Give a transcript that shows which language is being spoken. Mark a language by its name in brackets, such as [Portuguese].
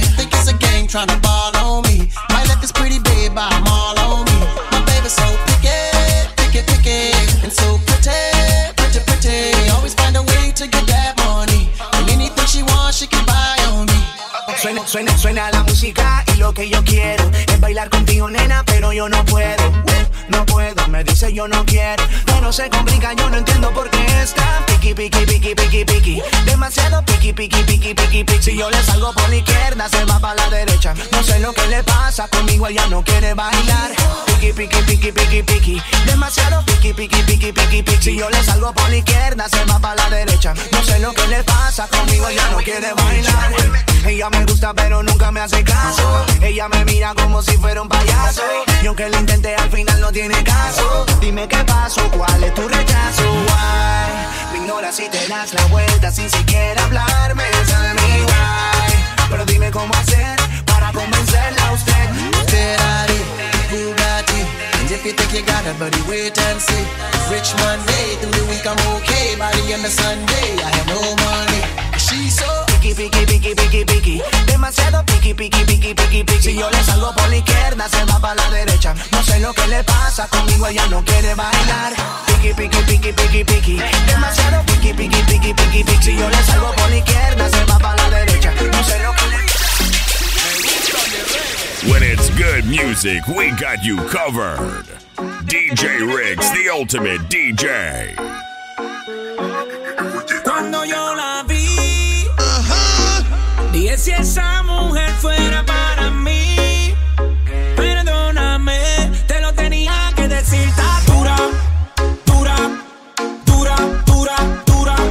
[English] Think it's a game trying to ball on me. Might let this pretty babe buy them all on me. My baby's so pick it, and so pretty, pretty, pretty. Always find a way to get that money. And anything she wants, she can buy on me. [Spanish] Suena la música y lo que yo quiero es bailar contigo, nena, pero yo no puedo. No puedo, me dice yo no quiero. Pero se complica, yo no entiendo por qué está. Piki, piki, piki, piki, piki. Demasiado piki, piki, piki, piki, piki. Si yo le salgo por la izquierda, se va para la derecha. No sé lo que le pasa, conmigo ella no quiere bailar. Piki, piki, piki, piki, piki. Demasiado piki, piki, piki, piki, piki. Si yo le salgo por la izquierda, se va para la derecha. No sé lo que le pasa, conmigo ella no quiere bailar. Ella me gusta, pero nunca me hace caso. Ella me mira como si fuera un payaso. Y aunque lo intenté, al final no tiene caso. Dime qué pasó, cuál es tu rechazo. [English] Why, [Spanish] me ignoras y te das la vuelta sin siquiera hablarme. [English] Tell me why, [Spanish] pero dime cómo hacer para convencerla a usted. [English] Ferrari, Bugatti, and if you think you got it, buddy, wait and see. Rich Monday, through the week I'm okay. By the end of Sunday, I have no money. She's so [Spanish] piki, piki, piki, piki, piki. Demasiado piki, piki, piki, piki, piki. Si yo le salgo por la izquierda, se va para la derecha. No sé lo que le pasa, conmigo ella no quiere bailar. Piki, piki, piki, piki, piki. Demasiado piki, piki, piki, piki, piki. Si yo le salgo por la izquierda, se va para la derecha. No sé lo que le pasa. [English] When it's good music, we got you covered. DJ Riggs, the ultimate DJ. [Spanish] Cuando yo la vi, dije si esa mujer fuera para mí. Perdóname, te lo tenía que decir. Está dura, dura, dura, dura, dura.